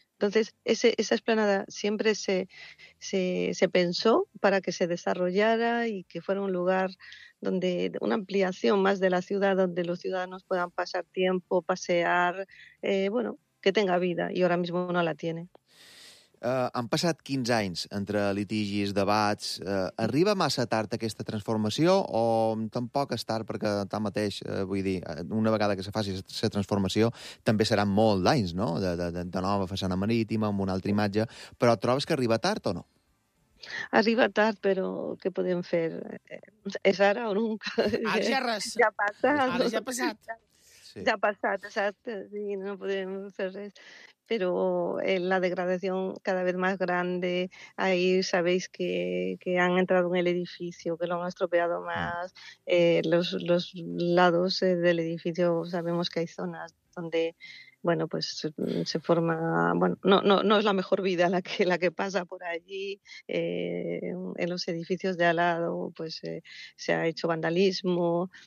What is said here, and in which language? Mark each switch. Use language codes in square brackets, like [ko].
[es] Entonces, esa explanada siempre se pensó para que se desarrollara y que fuera un lugar donde una ampliación más de la ciudad, donde los ciudadanos puedan pasar tiempo, pasear, bueno, que tenga vida, [ca] i ara [es] mismo no la tiene. [ca] Han passat 15 anys entre litigis, debats. Arriba massa tard aquesta transformació o tampoc és tard perquè tanmateix, vull dir, una vegada que se faci la transformació, també seran molt d'anys, no? De nova façana marítima, amb una altra imatge. Però trobes que arriba tard o no? Arriba tard, però què podem fer? És ara o nunca? Ara ja res. Ja passa. Ara ja ha passat. Sí. [es] Ya ha pasado, exacto, sí, no podemos hacer eso. Pero la degradación cada vez más grande, ahí sabéis que han entrado en el edificio, que lo han estropeado más, los lados del edificio, sabemos que hay zonas donde, bueno, pues se forma, bueno, no es la mejor vida la que pasa por allí, en los edificios de al lado, pues se ha hecho vandalismo.